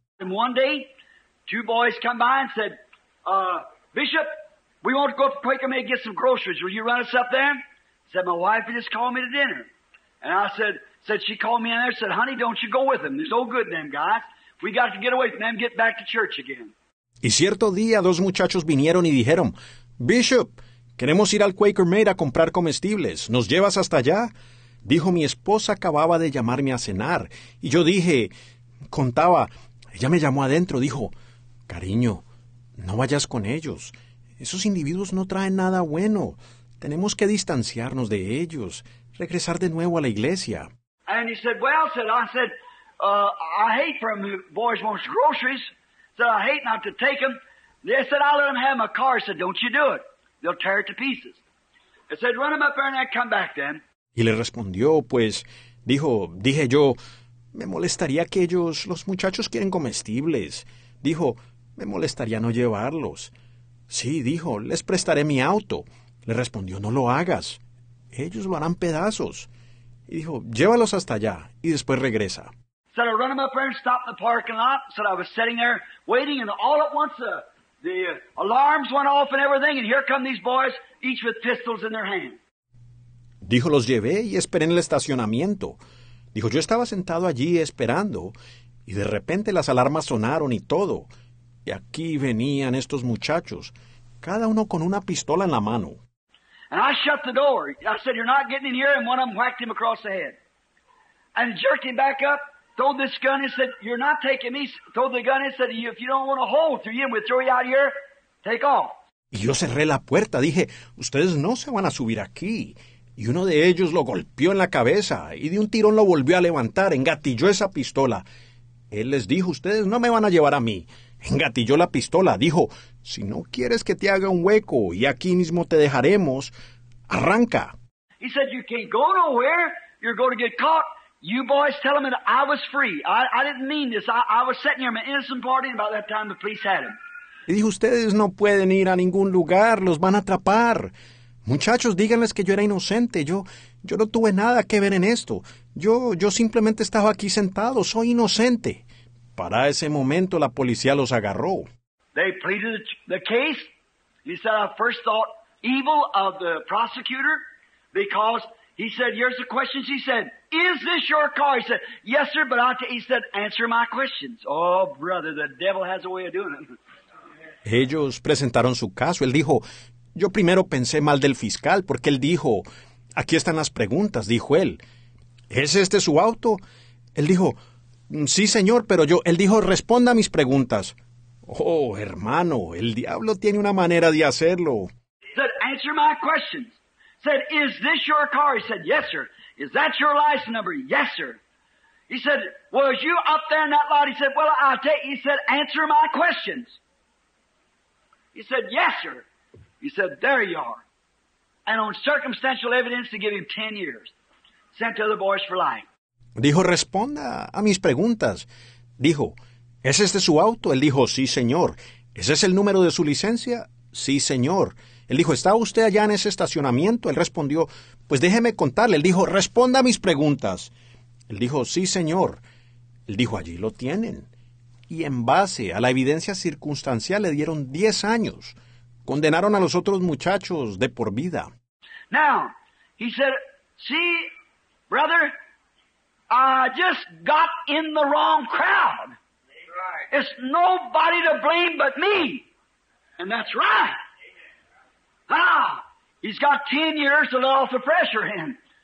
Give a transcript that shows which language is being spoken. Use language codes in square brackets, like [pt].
[en] And one day, two boys come by and said, Bishop, we want to go to Quaker Maid to get some groceries. Will you run us up there? Said, my wife just called me to dinner. And I said she called me in there, said, honey, don't you go with them. There's no good in them guys. We got to get away from them, get back to church again. [es] Y cierto día, dos muchachos vinieron y dijeron, Bishop, queremos ir al Quaker Maid a comprar comestibles. ¿Nos llevas hasta allá? Dijo, mi esposa acababa de llamarme a cenar. Y yo dije, contaba, ella me llamó adentro, dijo, cariño, no vayas con ellos. Esos individuos no traen nada bueno. Tenemos que distanciarnos de ellos, regresar de nuevo a la iglesia. [en] And he said, well, said, I said, I hate for them, the boys want groceries. Said, I hate not to take them. They said, I'll let them have my car. Said, don't you do it. They'll tear it to pieces. I said, run them up there and I'll come back then. [es] Y le respondió, pues, dijo, dije yo, me molestaría que ellos, los muchachos quieren comestibles. Dijo, me molestaría no llevarlos. Sí, dijo, les prestaré mi auto. Le respondió, no lo hagas. Ellos lo harán pedazos. Y dijo, llévalos hasta allá y después regresa. [en] Said, I run them up there and stopped in the parking lot. Said, I was sitting there waiting and all at once the alarms went off and everything. And here come these boys, each with pistols in their hands. [es] Dijo, los llevé y esperé en el estacionamiento. Dijo, yo estaba sentado allí esperando, y de repente las alarmas sonaron y todo. Y aquí venían estos muchachos, cada uno con una pistola en la mano. [en] And I shut the door. I said, you're not getting in here. And one of them whacked him across the head. And jerked him back up, throwed this gun and said, you're not taking me. Throw the gun and said, if you don't want to hold through you, we'll throw you out here. Take off. [es] Y yo cerré la puerta. Dije, ustedes no se van a subir aquí. Y uno de ellos lo golpeó en la cabeza y de un tirón lo volvió a levantar, engatilló esa pistola. Él les dijo, ustedes no me van a llevar a mí. Engatilló la pistola, dijo, si no quieres que te haga un hueco y aquí mismo te dejaremos, arranca. [en] He said, you can't go nowhere, you're going to get caught. You boys tell them that I was free. I didn't mean this, I was sitting here in my innocent party and about that time the police had him. [es] Y dijo, ustedes no pueden ir a ningún lugar, los van a atrapar. Muchachos, díganles que yo era inocente. Yo no tuve nada que ver en esto. Yo simplemente estaba aquí sentado. Soy inocente. Para ese momento, la policía los agarró. [en] They pleaded the case. He said, I first thought evil of the prosecutor because he said, here's the questions. He said, is this your car? He said, yes, sir, but he said, answer my questions. Oh, brother, the devil has a way of doing it. [es] Ellos presentaron su caso. Él dijo, yo primero pensé mal del fiscal porque él dijo, aquí están las preguntas, dijo él. ¿Es este su auto? Él dijo, sí, señor, pero yo... Él dijo, responda a mis preguntas. Oh, hermano, el diablo tiene una manera de hacerlo. [en] He said, answer my questions. He said, is this your car? He said, yes, sir. Is that your license number? Yes, sir. He said, was you up there in that lot? He said, well, I'll tell you. He said, answer my questions. He said, yes, sir. He said, there you are. And on circumstantial evidence, they give him 10 years. Sent to other boys for life. [es] Dijo, responda a mis preguntas. Dijo, ¿es este su auto? Él dijo, sí, señor. ¿Ese es el número de su licencia? Sí, señor. Él dijo, ¿está usted allá en ese estacionamiento? Él respondió, pues déjeme contarle. Él dijo, responda a mis preguntas. Él dijo, sí, señor. Él dijo, allí lo tienen. Y en base a la evidencia circunstancial, le dieron 10 años. Condenaron a los otros muchachos de por vida. [en] Now, he said, see, brother, I just got in the wrong crowd. It's nobody to blame but me. And that's right. Ah, he's got 10 years to let off the pressure in.